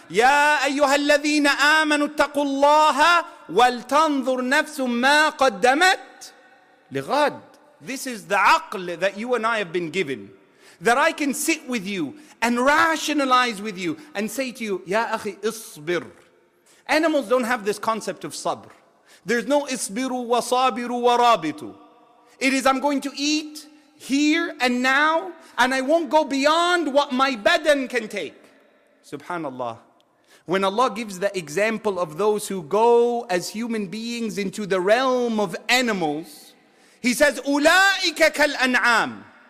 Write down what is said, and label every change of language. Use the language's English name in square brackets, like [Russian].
[Arabic] يَا أَيُّهَا الَّذِينَ آمَنُوا اتَّقُوا اللَّهَ وَلْتَنْظُرْ نَفْسٌ مَا قَدَّمَتْ لِغَدْ. [English] This is the aql that you and I have been given. That I can sit with you and rationalize with you and say to you, [Arabic] يَا أَخِي اصْبِرْ. [English] Animals don't have this concept of sabr. There's no [Arabic] اصْبِرُوا وَصَابِرُوا وَرَابِطُوا. [English] It is, I'm going to eat here and now, and I won't go beyond what my badan can take. Subhanallah. When Allah gives the example of those who go as human beings into the realm of animals, He says, [Arabic] أُولَٰئِكَ كَالْأَنْعَامِ.